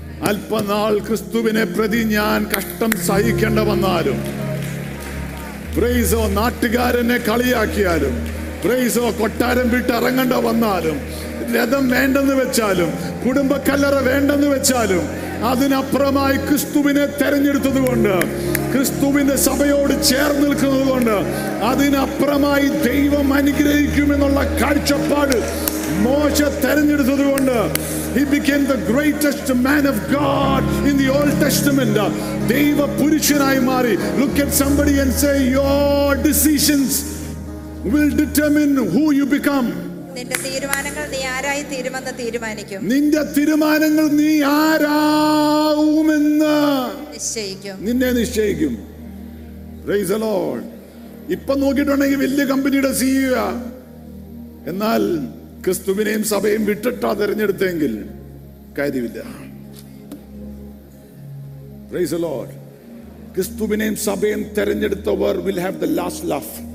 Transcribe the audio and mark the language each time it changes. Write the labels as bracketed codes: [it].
[ml] അല്പനാൾ ക്രിസ്തുവിനെ പ്രതി ഞാൻ കഷ്ടം സഹിക്കേണ്ട വന്നാലും, പ്രൈസോ നാട്ടുകാരനെ കളിയാക്കിയാലും, പ്രൈസോ കൊട്ടാരം വിട്ട് ഇറങ്ങേണ്ട വന്നാലും, രഥം വേണ്ടെന്ന് വെച്ചാലും, കുടുംബക്കല്ലറ വേണ്ടെന്ന് വെച്ചാലും, അതിനപ്പുറമായി ക്രിസ്തുവിനെ തെരഞ്ഞെടുത്തത് കൊണ്ട്, ക്രിസ്തുവിന്റെ സഭയോട് ചേർന്ന് നിൽക്കുന്നത് കൊണ്ട്, അതിനപ്പുറമായി ദൈവം അനുഗ്രഹിക്കുമെന്നുള്ള കാഴ്ചപ്പാട് മോശ തെരഞ്ഞെടുത്തത് കൊണ്ട്, [en] He became the greatest man of God in the Old Testament. [ml] Deva purushanai mari. [en] Look at somebody and say, your decisions will determine who you become. [ml] നിന്റെ തീരുമാനങ്ങൾ നീ ആരായി തീരുമെന്ന് തീരുമാനിക്കും. നിന്റെ തീരുമാനങ്ങൾ നീ ആരാകുമെന്ന് നിശ്ചയിക്കും. നിന്നെ നിശ്ചയിക്കും. [en] Praise the Lord. [ml] ഇപ്പോ നോക്കിട്ടുണ്ടെങ്കിൽ വലിയ കമ്പനിയുടെ സിഇഒ, എന്നാൽ ക്രിസ്തുവിനെയും സഭയും വിട്ടിട്ടാ തെരഞ്ഞെടുത്തെങ്കിൽ കാര്യമില്ല. [en] Praise the Lord. [ml] ക്രിസ്തുവിനെയും സഭയും തെരഞ്ഞെടുത്തവർ [en] will have the last laugh.